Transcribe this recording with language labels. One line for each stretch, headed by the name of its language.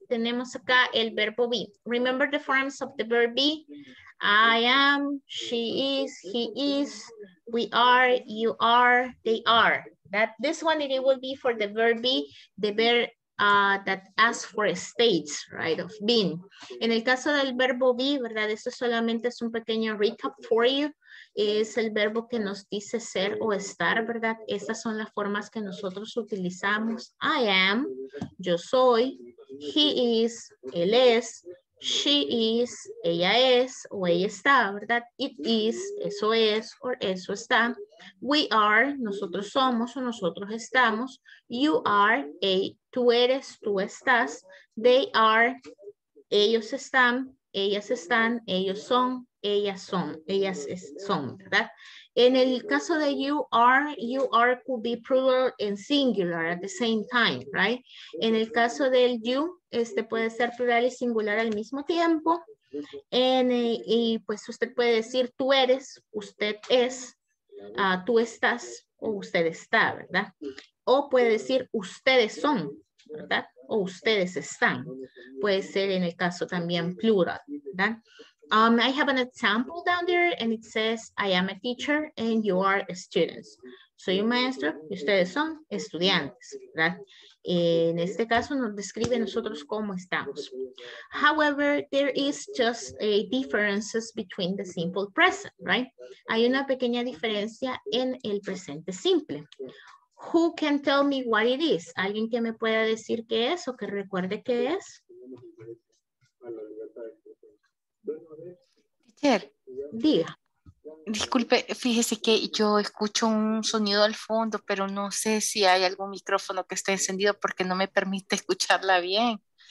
Spanish: Tenemos acá el verbo be.
English: Remember the forms of the verb be. I am, she is, he is, we are, you are, they are. That this one it will be for the verb be, the verb that asks for states, right, of being.
Spanish: En el caso del verbo be, ¿verdad? Esto solamente es un pequeño
English: recap for you.
Spanish: Es el verbo que nos dice ser o estar, ¿verdad? Estas son las formas que nosotros utilizamos.
English: I am,
Spanish: yo soy,
English: he is,
Spanish: él es,
English: she is,
Spanish: ella es, o ella está, ¿verdad?
English: It is,
Spanish: eso es, o eso está.
English: We are,
Spanish: nosotros somos, o nosotros estamos.
English: You are,
Spanish: tú eres, tú estás.
English: They are,
Spanish: ellos están, ellas están, ellos son, ellas son, ellas son, ¿verdad? En el caso de
English: you are could be plural and singular at the same time, right?
Spanish: En el caso del you, este puede ser plural y singular al mismo tiempo. Y pues usted puede decir tú eres, usted es, tú estás o usted está, ¿verdad? O puede decir ustedes son, ¿verdad? O ustedes están. Puede ser en el caso también plural, ¿verdad?
English: I have an example down there and it says, I am a teacher and you are students.
Spanish: Soy un maestro y ustedes son estudiantes, ¿verdad? En este caso nos describe nosotros cómo estamos.
English: However, there is just a differences between the simple present, right?
Spanish: Hay una pequeña diferencia en el presente simple.
English: Who can tell me what it is?
Spanish: ¿Alguien que me pueda decir qué es o que recuerde qué es?
English: Teacher,
Spanish: diga. Disculpe, fíjese que yo escucho un sonido al fondo, pero no sé si hay algún micrófono que esté encendido porque no me permite escucharla bien.